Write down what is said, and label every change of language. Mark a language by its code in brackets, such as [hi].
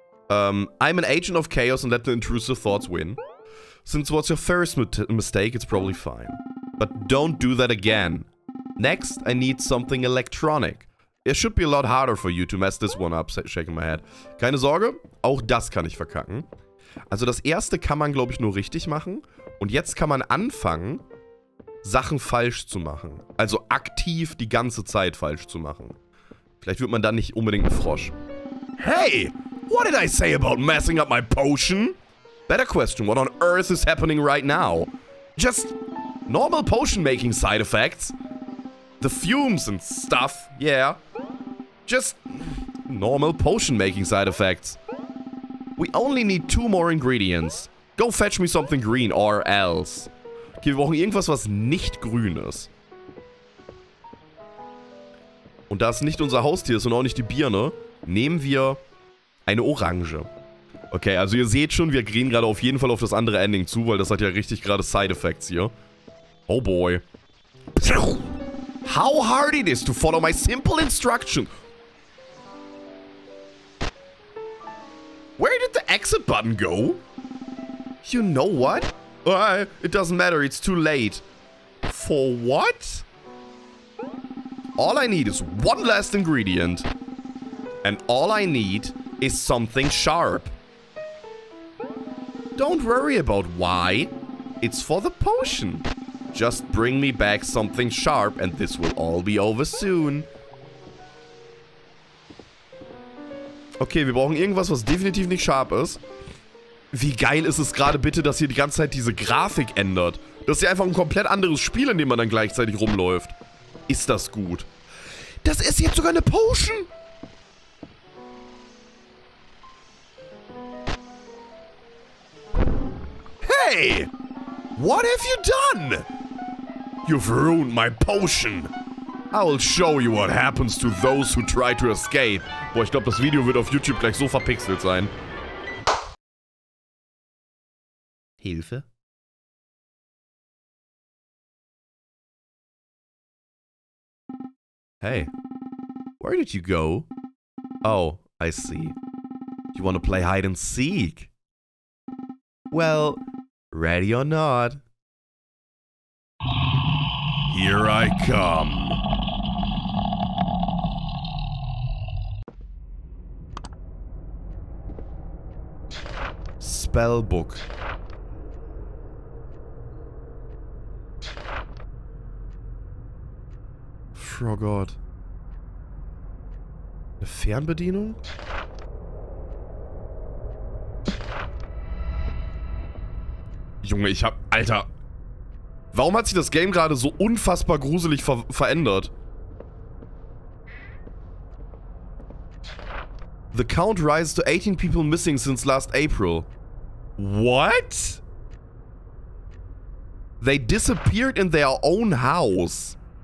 [en] I'm an agent of chaos and let the intrusive thoughts win. Since it was your first mistake, it's probably fine. But don't do that again. Next, I need something electronic. It should be a lot harder for you to mess this one up, shaking my head. [de] Keine Sorge, auch das kann ich verkacken. Also das erste kann man, glaube ich, nur richtig machen. Und jetzt kann man anfangen, Sachen falsch zu machen. Also aktiv die ganze Zeit falsch zu machen. Vielleicht wird man dann nicht unbedingt ein Frosch. [en] Hey, what did I say about messing up my potion? Better question, what on earth is happening right now? Just normal potion-making side effects. The fumes and stuff, yeah. Just normal potion-making side effects. We only need two more ingredients. Go fetch me something green or else. [de] Okay, wir brauchen irgendwas, was nicht grün ist. Und da es nicht unser Haustier ist und auch nicht die Birne, nehmen wir eine Orange. Okay, also ihr seht schon, wir gehen gerade auf jeden Fall auf das andere Ending zu, weil das hat ja richtig gerade Side Effects hier. [en] Oh boy. How hard it is to follow my simple instruction. Where did the exit button go? You know what? It doesn't matter, it's too late. For what? All I need is one last ingredient. And all I need is something sharp. Don't worry about why. It's for the potion. Just bring me back something sharp and this will all be over soon. [de] Okay, wir brauchen irgendwas, was definitiv nicht scharf ist. Wie geil ist es gerade bitte, dass hier die ganze Zeit diese Grafik ändert. Das ist ja einfach ein komplett anderes Spiel, in dem man dann gleichzeitig rumläuft. Ist das gut? Das ist jetzt sogar eine Potion! [en] Hey! What have you done? You've ruined my potion! I will show you what happens to those who try to escape. [de] Boah, ich glaube, das Video wird auf YouTube gleich so verpixelt sein. Hilfe? [en] Hey, where did you go? Oh, I see. You want to play hide and seek? Well, ready or not? Here I come. Spellbook. [de] Oh Gott. Eine Fernbedienung? Junge, ich hab... Alter! Warum hat sich das Game gerade so unfassbar gruselig verändert? [en] The count rises to 18 people missing since last April. What? They disappeared in their own house.